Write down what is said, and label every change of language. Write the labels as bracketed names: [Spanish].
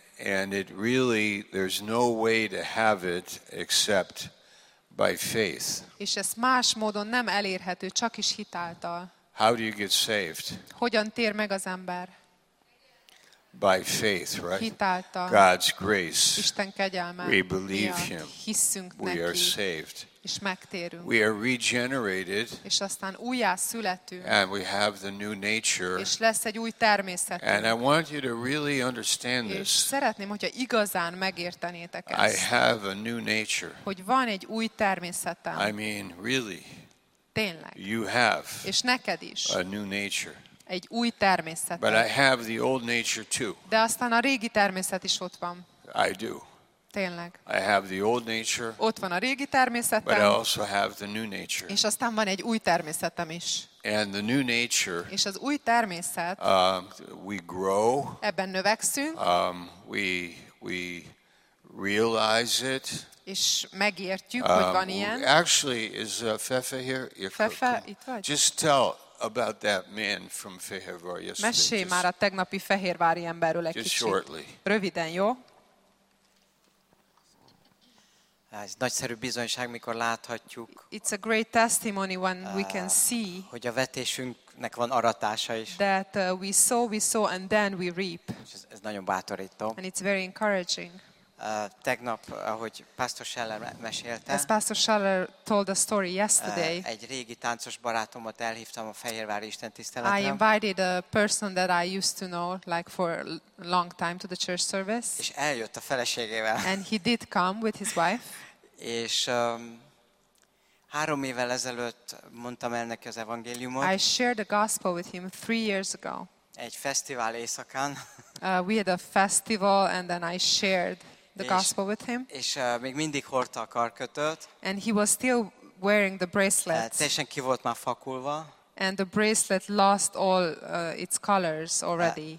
[English] And it really there's no way to have it except by faith. [Hungarian] És ez más módon nem elérhető, csak is hitáltal. [English] How do you get saved? [Hungarian] Hogyan tér meg az ember? [English] By faith, right? [Hungarian] Hitáltal. [English] God's grace. [Hungarian] Isten kegyelme. [English] We believe him. [Hungarian] Hisszünk neki. [English] We are saved. [Hungarian] És megtérünk. [English] We are regenerated. [Hungarian] És aztán újjászületünk. [English] And we have the new nature. [Hungarian] És lesz egy új természetünk. [English] And I want you to really understand this. [Hungarian] És szeretném, hogyha igazán megértenétek ezt. [English] I have a new nature. [Hungarian] Hogy van egy új természetem. [English] I mean, really. [Hungarian] Tényleg. [English] You have. [Hungarian] És neked is. [English] A new nature. [Hungarian] Egy új természet. [English] But I have the old nature too. [Hungarian] De aztán a régi természet is ott van. [English] I do. [Hungarian] Tényleg. [English] I have the old nature. [Hungarian] Ott van a régi természetem. [English] But I also have the new nature. [Hungarian] És aztán van egy új természetem is. [English] And the new nature. [Hungarian] És az új természet. [English] We grow. [Hungarian] Ebben növekszünk. [English] We realize it. [Hungarian] És megértjük, hogy van ilyen. [English] Actually, is Fefe here? [Hungarian] Fefe, itt vagy? [English] Just tell. About that man from Fehérvár yesterday. [Hungarian] Mesélj már a tegnapi fehérvári emberről egy kicsit. Röviden, jó? Ez nagyszerű bizonyság, mikor láthatjuk. [English] It's a great testimony when we can see. [Hungarian] Hogy a vetésünknek van aratása is. [English] That we sow and then we reap. [Hungarian] Ez nagyon bátorító. [English] And it's very encouraging. [Hungarian] Tegnap, ahogy Pastor Scheller mesélte. [English] As Pastor Scheller told the story yesterday. [Hungarian] Egy régi táncos barátomat elhívtam a fehérvári istentiszteletre. [English] I invited a person that I used to know like for a long time to the church service. [Hungarian] És eljött a feleségével. [English] And he did come with his wife. [Hungarian] És három évvel ezelőtt mondtam el neki az evangéliumot. [English] I shared the gospel with him 3 years ago. [Hungarian] Egy fesztivál éjszakán. [English] We had a festival and then I shared the gospel with him. [Hungarian] És még mindig hordta a karkötőt. [English] And he was still wearing the bracelet. [Hungarian] Teljesen ki volt már fakulva. [English] And the bracelet lost all its colors already.